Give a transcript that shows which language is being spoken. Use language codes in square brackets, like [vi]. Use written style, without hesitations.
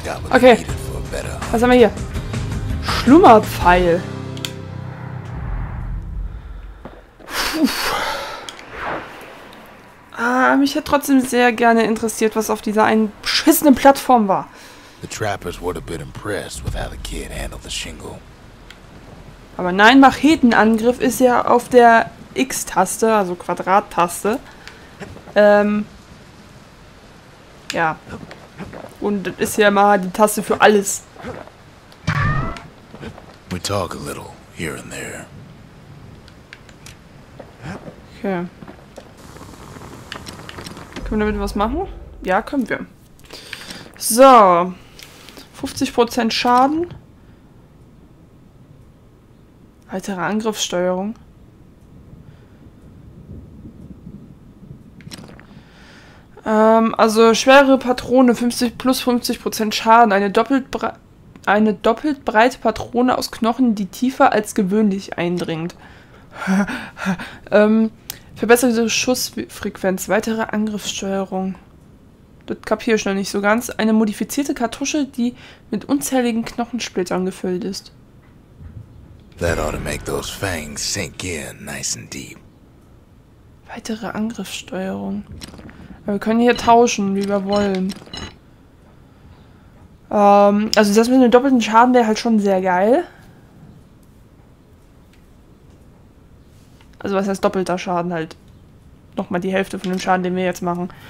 [de] Okay, was haben wir hier? Schlummerpfeil. Puh. Mich hätte trotzdem sehr gerne interessiert, was auf dieser einen beschissenen Plattform war. [en] The Trappers were a bit impressed with how the kid handled the shingle. [de] Aber nein, Machetenangriff ist ja auf der X-Taste, also Quadrat-Taste. Ja. Und das ist ja mal die Taste für alles. [en] We talk a little here and there. Okay. [de] Können wir damit was machen? Ja, können wir. So. 50% Schaden. Weitere Angriffssteuerung. Also schwere Patrone, 50+50% Schaden, eine doppelt breite Patrone aus Knochen, die tiefer als gewöhnlich eindringt. verbesserte Schussfrequenz, weitere Angriffssteuerung. Das kapiere ich noch nicht so ganz. Eine modifizierte Kartusche, die mit unzähligen Knochensplittern gefüllt ist. [en] That ought to make those fangs sink in nice and deep. [de] Weitere Angriffssteuerung. Wir können hier tauschen, wie wir wollen. Also das mit dem doppelten Schaden wäre halt schon sehr geil. Also was heißt doppelter Schaden halt? Nochmal die Hälfte von dem Schaden, den wir jetzt machen.